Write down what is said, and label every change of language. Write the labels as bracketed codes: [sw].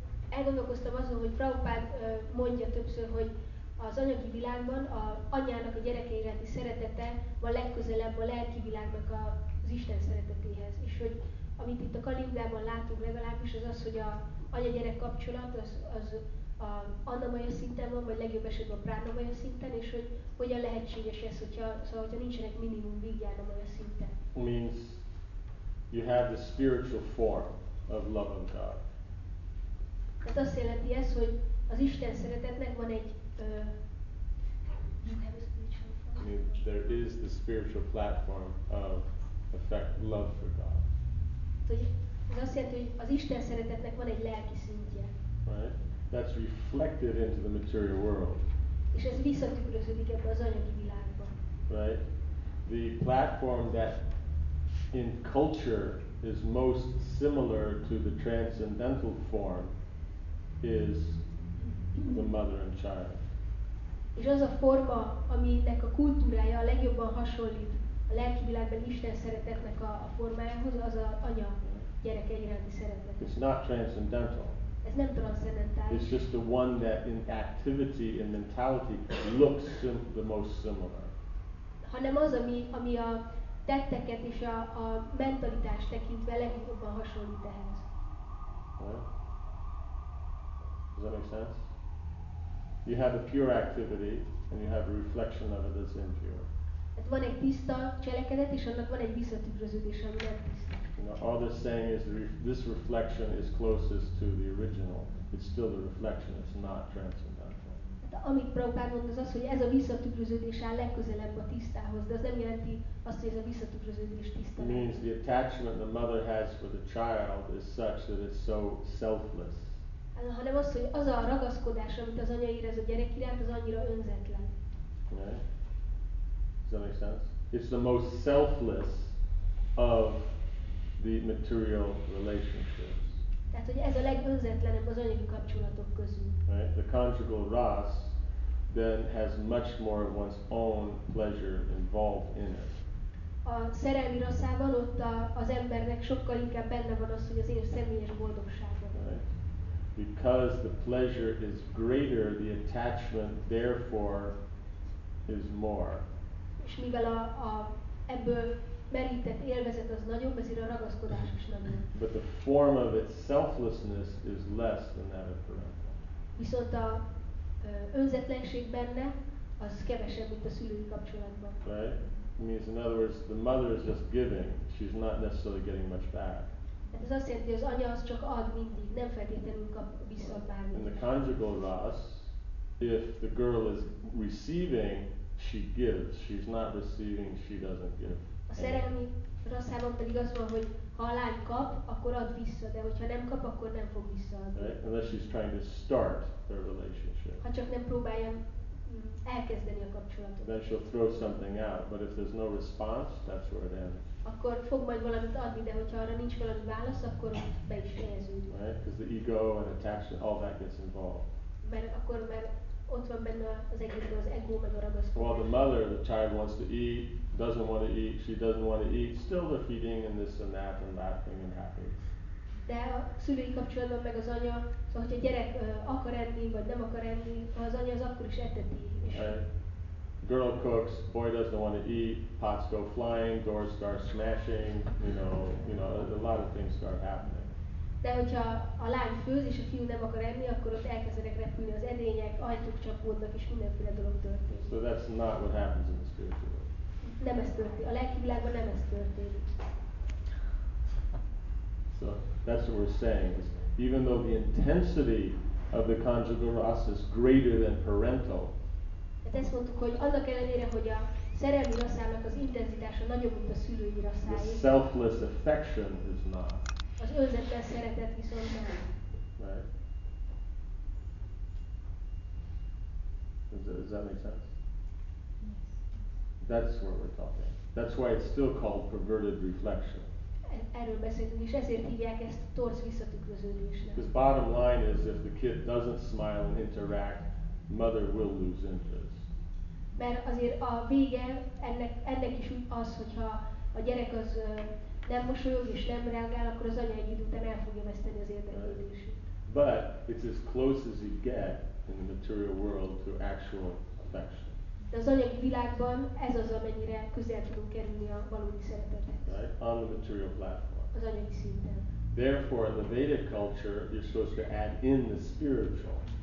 [hu] Elgondolkoztam azon, hogy Prabhupád mondja többször, hogy az anyagi világban a anyának a gyereke iránti szeretete van legközelebb a lelki világnak az Isten szeretetéhez. És hogy amit itt a Kali Yugában látunk legalábbis, az az, hogy a anya-gyerek kapcsolat az a annamaja szinten van, vagy legjobb esetben a pránamaja szinten, és hogy hogyan lehetséges ez, hogyha nincsenek minimum vigyánamaja szinten. [en] Means you have the spiritual form of love of God. [hu] Tehát azt jelenti ez, hogy az Isten szeretetnek van egy [en] I mean, there is the spiritual platform of effect love for God. [hu] Ez azt jelenti, hogy az Isten szeretetnek van egy lelki szintje. [en] Right? That's reflected into the material world. [hu] És ez visszatükröződik ebbe az anyagi világba. [en] Right? The platform that in culture is most similar to the transcendental form is the mother and child. [hu] És az a forma, aminek a kultúrája a legjobban hasonlít a lelki világban Isten szeretetnek a formájához, az a anya gyereke iránti szeretet. [en] It's not transcendental. [hu] Ez nem transzcendentális. [en] It's just the one that in activity and mentality looks the most similar. [hu] Hanem az, ami a tetteket és a mentalitást tekintve legjobban hasonlít ehhez. [en] Does that make sense? You have a pure activity, and you have a reflection of it that's impure. [hu] Hát van egy tiszta cselekedet, és annak van egy visszatükröződés, ami nem tiszta. [en] All they're saying is this reflection is closest to the original. It's still the reflection, it's not transcendental. [hu] Hát amit Prabhupád mond, az, hogy ez a visszatükröződés áll legközelebb a tisztához, de az nem jelenti azt, hogy ez a visszatükröződés tiszta. [en] It means the attachment the mother has for the child is such that it's so selfless. [hu] Hanem az, hogy az a ragaszkodás, amit az anya érez a gyerek iránt, az annyira önzetlen. [en] Right. Does that make sense? It's the most selfless of the material relationships. [hu] Tehát, hogy ez a legönzetlenebb az anyagi kapcsolatok közül. [en] Right. The conjugal ras then has much more of one's own pleasure involved in it. [hu] A szerelmi raszában ott az embernek sokkal inkább benne van az, hogy az én személyes boldogsága. [en] Right. Because the pleasure is greater, the attachment therefore is more. [hu] És mivel a ebből merített élvezet az nagyobb, ezért a ragaszkodás is nagyobb. [en] But the form of its selflessness is less than that of parental. [hu] Viszont a önzetlenség benne az kevesebb, mint a szülői kapcsolatban. [en] Right? It means, in other words, the mother is just giving. She's not necessarily getting much back. [hu] Hát ez azt jelenti, hogy az anya az csak ad mindig, nem feltétlenül kap vissza bármit. [en] In the conjugal ras, if the girl is receiving, she gives. She's not receiving, she doesn't give. [hu] A szerelmi raszában pedig az van, hogy ha a lány kap, akkor ad vissza, de hogyha nem kap, akkor nem fog visszaadni. [en] Right? Unless she's trying to start their relationship. [hu] Ha csak nem próbálja elkezdeni a kapcsolatot. [en] Then she'll throw something out, but if there's no response, that's where it ends. [hu] Akkor fog majd valamit adni, de hogyha arra nincs valami válasz, akkor be is fejeződik. [en] Right? Because the ego and attachment, all that gets involved. [hu] Mert ott van benne az egészben az ego meg a ragaszkodás. [en] While the mother, the child wants to eat, doesn't want to eat, she doesn't want to eat, still they're feeding and this and that and laughing and happy. [hu] De a szülői kapcsolatban meg az anya, szóval hogyha a gyerek akar enni vagy nem akar enni, az anya az akkor is eteti. [en] Girl cooks, boy doesn't want to eat, pots go flying, doors start smashing, you know, a lot of things start happening. [hu] De hogyha a lány főz és a fiú nem akar enni, akkor ott elkezdenek repülni az edények, ajtók csapódnak és mindenféle dolog történik. [en] So that's not what happens in the spiritual world. [hu] Nem ez történik. A lelki világban nem ez történik. [en] So that's what we're saying is even though the intensity of the conjugal rasa is greater than parental. [hu] Hát ezt mondtuk, hogy annak ellenére, hogy a szerelmi rasszának az intenzitása nagyobb, mint a szülői rasszáé. [en] The selfless affection is not. [hu] Az önzetlen szeretet viszont nem. [en] Right. Does that make sense? Yes. That's what we're talking. That's why it's still called perverted reflection. [hu] Erről beszéltünk, és ezért hívják ezt torz visszatükröződésnek. [en] Because bottom line is, if the kid doesn't smile and interact, mother will lose interest. [hu] Mert azért a vége ennek is az, hogyha a gyerek az nem mosolyog és nem reagál, akkor az anya egy idő után el fogja veszteni az érdeklődését. [en] But it's as close as you get in the material world to actual affection. [hu] De az anyagi világban ez az, amennyire közel tudunk kerülni a valódi szeretethez. [en] Right? On the material platform. [hu] Az anyagi szinten. [en] Therefore, in the Vedic culture, you're supposed to add in the spiritual.